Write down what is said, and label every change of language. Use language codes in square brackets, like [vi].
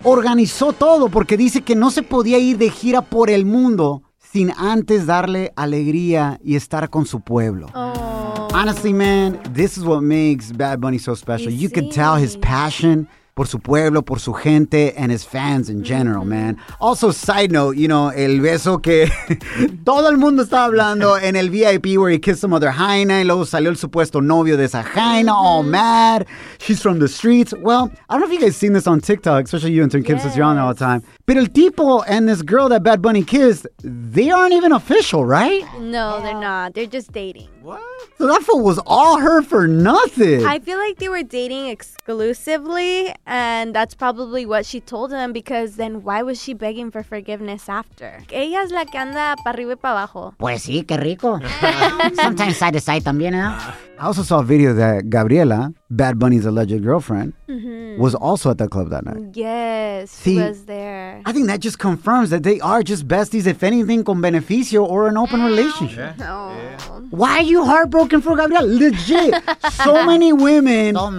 [es] Organizó todo porque dice que no se podía ir de gira por el mundo sin antes darle alegría y estar con su pueblo. Oh. [en] Honestly, man, this is what makes Bad Bunny so special. You can tell his passion [es] por su pueblo, por su gente, [en] and his fans in general, man. Also, side note, you know, [es] el beso que todo el mundo estaba hablando en el VIP [en] where he kissed some other [es] jaina y luego salió el supuesto novio de esa jaina, [en] all mad. She's from the streets. Well, I don't know if you guys seen this on TikTok, especially you and Tim Kim, since you're on there all the time. But [es] el tipo [en] and this girl that Bad Bunny kissed, they aren't even official, right? No, they're not. They're just dating. What? So that fool was all her for nothing. I feel like they were dating exclusively, and that's probably what she told him, because then why was she begging for forgiveness after? [es] Ella es la que anda para arriba y para abajo. Pues sí, qué rico. [en] Sometimes side to side [es] también, ¿no? [en] I also saw a video that Gabriela, Bad Bunny's alleged girlfriend, was also at the club that night. Yes, she was there. I think that just confirms that they are just besties, if anything, [es] con beneficio [en] or an open relationship. Yeah. Oh. Yeah. Why are you heartbroken for Gabriela? Legit. So many women.